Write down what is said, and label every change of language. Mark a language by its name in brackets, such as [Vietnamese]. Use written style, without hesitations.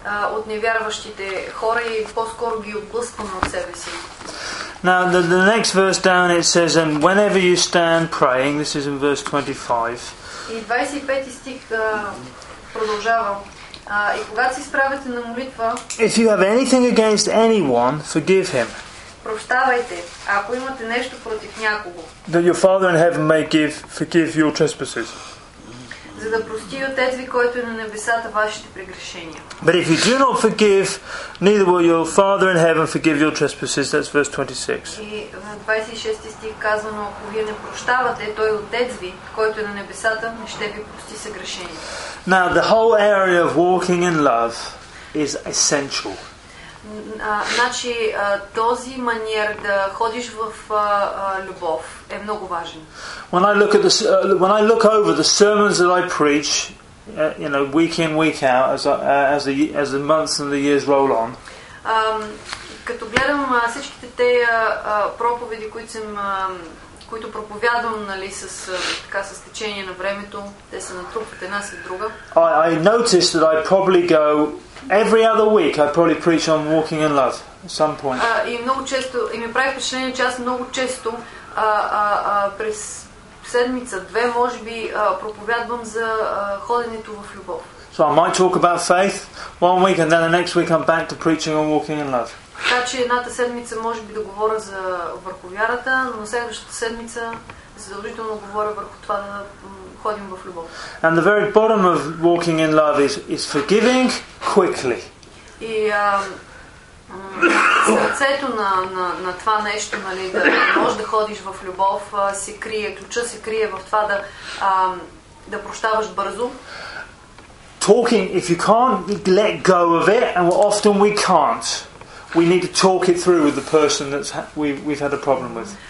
[Bulgarian] от невярващите хора и по-скоро ги отблъскваме от себе си. [English] Now the next verse down it says, and whenever you stand praying, this is in verse 25. [Bulgarian] И 25 стих продължава. И когато се изправяте на молитва, [English] if you have anything against anyone, forgive him. [Bulgarian] Прощавайте, ако имате нещо против някого. [English] That your Father in heaven may forgive your trespasses. [Bulgarian] За да прости Отец ви, който е на небесата, вашите прегрешения. [English] But if you do not forgive, neither will your Father in heaven forgive your trespasses. That's verse 26. [Bulgarian] И в 26 стих казано, ако вие не прощавате, той Отец ви, който е на небесата, не ще ви прости съгрешения. [English] Now the whole area of walking in love is essential. [Bulgarian] Значи този манер да ходиш в любов е много важен. [English] When I look at the when I look over the sermons that I preach, you know, week in week out as the months and the years roll on. [Bulgarian] Като гледам всичките те проповеди, които проповядвам, нали, с течение на времето, те се натрупват една след друга. [English] I noticed that I probably go every other week. I probably preach on walking in love at some point. [Bulgarian] И много често, и ми прави впечатление, че аз много често през седмица, две, може би, проповядвам за ходенето в любов. [English] So I might talk about faith one week and then the next week I'm back to preaching on walking in love. [Bulgarian] Така че едната седмица може би да говоря за върху вярата, но следващата седмица задължително говоря върху това да ходим в любов. [English] And the very bottom of walking in love is forgiving quickly. [Bulgarian] И сърцето на това нещо, нали, да можеш да ходиш в любов, се крие, ключа се крие в това да прощаваш бързо. [English] Talking, if you can't let go of it, and often we can't. We need to talk it through with the person that we've had a problem with.